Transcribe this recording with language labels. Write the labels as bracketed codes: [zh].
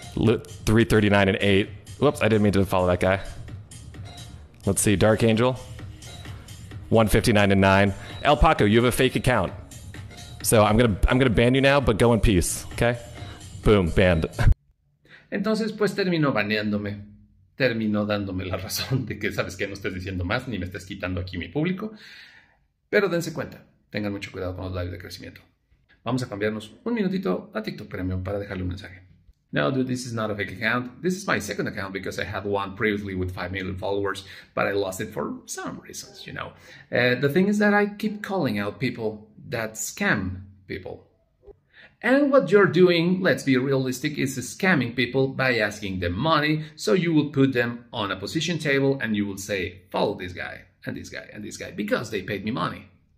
[en] 339 and 8. Whoops, I didn't mean to follow that guy. Let's see, Dark Angel. 159 and 9. El Paco, you have a fake account. So I'm gonna ban you now, but go in peace, okay? Boom, banned. [es] Entonces, pues terminó baneándome. Terminó dándome la razón de que, sabes que no estés diciendo más ni me estés quitando aquí mi público. Pero dense cuenta. Tengan mucho cuidado con los lives de crecimiento. Vamos a cambiarnos un minutito a TikTok Premium para dejarle un mensaje. [en] No, dude, this is not a fake account. This is my second account because I had one previously with 5 million followers, but I lost it for some reasons, you know. The thing is that I keep calling out people that scam people. And what you're doing, let's be realistic, is scamming people by asking them money, so you will put them on a position table and you will say, follow this guy and this guy and this guy because they paid me money.